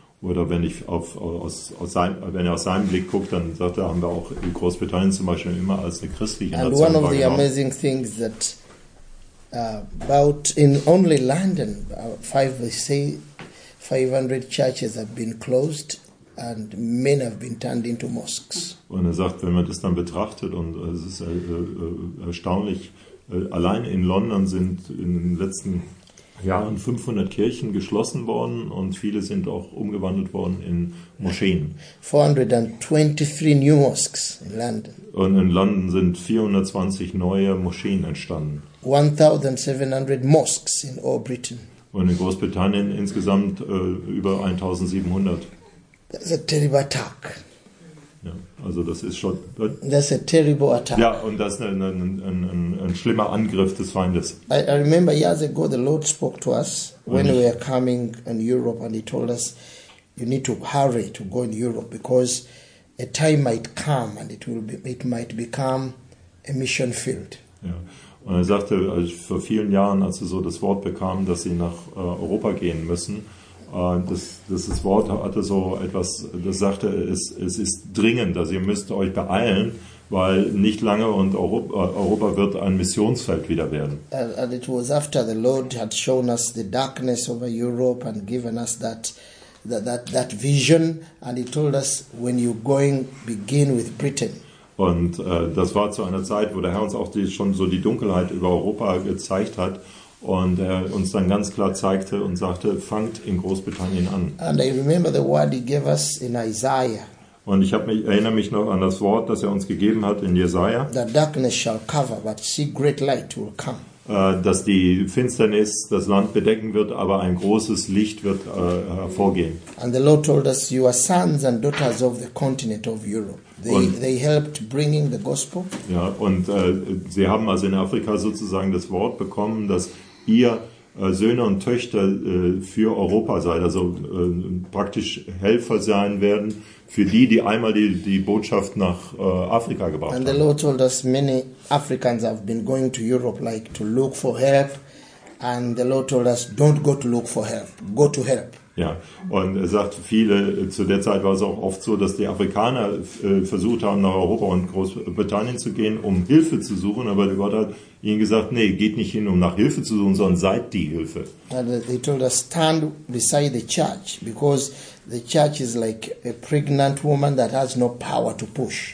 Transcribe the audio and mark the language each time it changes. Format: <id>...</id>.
<de>Oder wenn ich aus seinem Blick gucke, dann sagt er, haben wir auch in Großbritannien zum Beispiel immer als eine christliche Nation wahrgenommen.</de> <en>And one of the amazing things that about in only London, five hundred churches have been closed. And men have been turned into mosques.</en> <de>Und er sagt, wenn man das dann betrachtet, und es ist erstaunlich, allein in London sind in den letzten Jahren 500 Kirchen geschlossen worden und viele sind auch umgewandelt worden in Moscheen.</de> <en>423 new mosques in London.</en> <de>Und in London sind 420 neue Moscheen entstanden.</de> <en>1700 mosques in all Britain.</en> <de>Und in Großbritannien insgesamt über 1700.</de> <en>That's a terrible attack.</en> <de>Ja, also das ist schon.</de> <en>That's a terrible attack.</en> <de>Ja, und das ist ein schlimmer Angriff des Feindes.</de> <en>I remember years ago the Lord spoke to us when we were coming in Europe and he told us you need to hurry to go in Europe because a time might come and it might become a mission field.</en> <de>Ja. Und er sagte, also vor vielen Jahren, als sie so das Wort bekamen, dass sie nach Europa gehen müssen. Das Wort hatte so etwas, das sagte, es ist dringend, also ihr müsst euch beeilen, weil nicht lange und Europa wird ein Missionsfeld wieder werden.</de> <en>And it was after the Lord had shown us the darkness over Europe and given us that vision, and he told us, when you're going, begin with Britain.</en> <de>Und das war zu einer Zeit, wo der Herr uns auch schon so die Dunkelheit über Europa gezeigt hat. Und er uns dann ganz klar zeigte und sagte, fangt in Großbritannien an.</de> <en>And I remember the word he gave us in Isaiah.</en> <de>Und ich erinnere mich noch an das Wort, das er uns gegeben hat in Jesaja.</de> <en>The darkness shall cover, but see great light will come.</en> <de>Dass die Finsternis das Land bedecken wird, aber ein großes Licht wird hervorgehen.</de> <en>And the Lord told us, you are sons and daughters of the continent of Europe. They helped bringing the gospel.</en> <de>Ja, und sie haben also in Afrika sozusagen das Wort bekommen, dass ihr Söhne und Töchter für Europa seid, also praktisch Helfer sein werden für die einmal die Botschaft nach Afrika gebracht haben.</de> <en>And the Lord told us many Africans have been going to Europe like to look for help, and the Lord told us don't go to look for help, go to help.</en> <de>Ja, und er sagt, viele, zu der Zeit war es auch oft so, dass die Afrikaner versucht haben, nach Europa und Großbritannien zu gehen, um Hilfe zu suchen, aber Gott hat ihnen gesagt, nee, geht nicht hin, um nach Hilfe zu suchen, sondern seid die Hilfe.</de> <en>And they told us, stand beside the church, because the church is like a pregnant woman that has no power to push.</en>